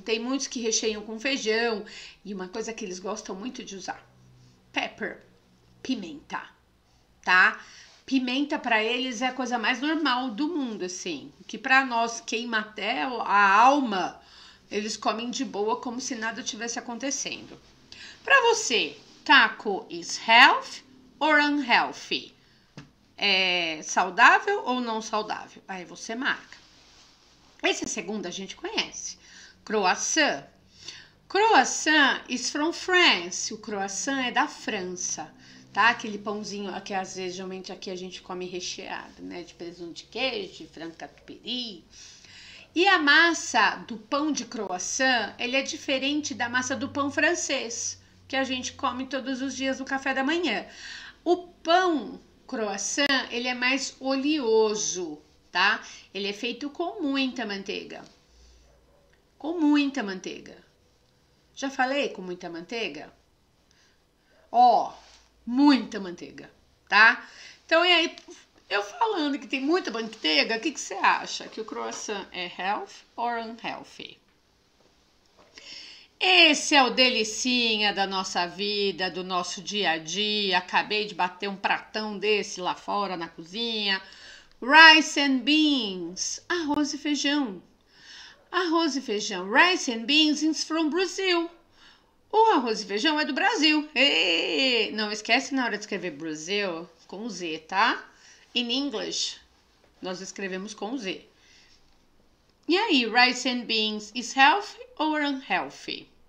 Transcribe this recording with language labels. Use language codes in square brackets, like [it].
[pt] Tem muitos que recheiam com feijão. E uma coisa que eles gostam muito de usar: pepper, pimenta. Tá? Pimenta para eles é a coisa mais normal do mundo, assim. Que para nós queima até a alma, eles comem de boa como se nada tivesse acontecendo. Para você, [en] taco is health or unhealthy? [pt] É saudável ou não saudável? Aí você marca. Esse segundo a gente conhece. Croissant. [en] Croissant is from France. [pt] O croissant é da França, tá? Aquele pãozinho que às vezes geralmente aqui a gente come recheado, né? De presunto de queijo, de frango catupiry. E a massa do pão de croissant, ele é diferente da massa do pão francês, que a gente come todos os dias no café da manhã. O pão croissant, ele é mais oleoso, tá? Ele é feito com muita manteiga. Com muita manteiga. Já falei com muita manteiga? Ó, muita manteiga, tá? Então, e aí, eu falando que tem muita manteiga, o que que você acha? Que o croissant é [en] health or unhealthy? [pt] Esse é o delicinha da nossa vida, do nosso dia a dia. Acabei de bater um pratão desse lá fora na cozinha. [en] Rice and beans, [pt] arroz e feijão. Arroz e feijão. [en] Rice and beans is from Brazil. [pt] O arroz e feijão é do Brasil. E não esquece na hora de escrever Brasil com Z, tá? [en] In English, [pt] nós escrevemos com Z. E aí, [en] rice and beans is healthy or unhealthy?